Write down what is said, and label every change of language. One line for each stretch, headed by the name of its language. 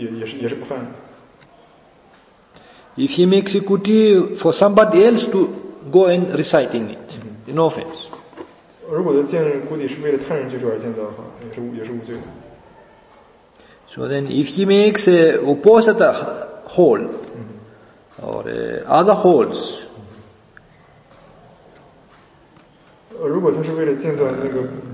Chinese: 而那个小草房还有那个用叶子当屋顶那种房子的话，也是不犯。
English: If he makes a kuti for somebody else to go and recite in it, mm-hmm. no offense.
Chinese: 如果建kuti是为了他人居住而建造的话，也是无罪的。
English: So then, if he makes a opposite hole mm-hmm. or other holes.
Chinese: 如果他是为了建造那个。